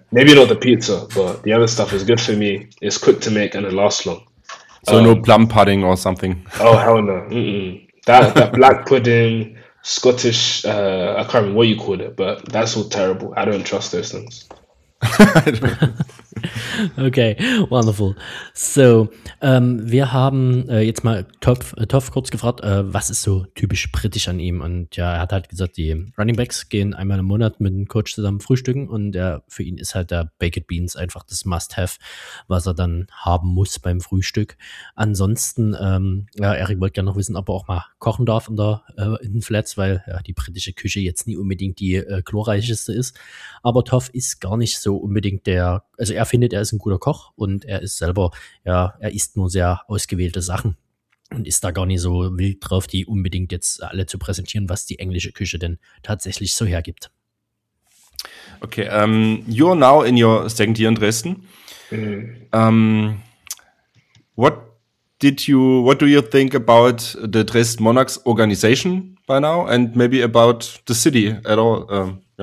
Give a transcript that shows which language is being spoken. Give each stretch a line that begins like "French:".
English: Maybe not the pizza, but the other stuff is good for me. It's quick to make and it lasts long. So no plum pudding or something? Oh, hell no. Mm-mm. That black pudding, Scottish, I can't remember what you called it, but that's all terrible. I don't trust those things. Okay, wonderful.
German: So, wir haben jetzt mal Toff kurz gefragt, was ist so typisch britisch an ihm? Und ja, er hat halt gesagt, die Running Backs gehen einmal im Monat mit dem Coach zusammen frühstücken und für ihn ist halt der Baked Beans einfach das Must-Have, was er dann haben muss beim Frühstück. Ansonsten, Erik wollte gerne noch wissen, ob er auch mal kochen darf in den Flats, weil die britische Küche jetzt nie unbedingt die glorreicheste ist. Aber Toff ist gar nicht so unbedingt er ist ein guter Koch und er ist selber, er isst nur sehr ausgewählte Sachen und ist da gar nicht so wild drauf, die unbedingt jetzt alle zu präsentieren, was die englische Küche denn tatsächlich so hergibt.
English: Okay, you're now in your second year in Dresden. Mm. What do you think about the Dresden Monarchs organization by now, and maybe about the city at all?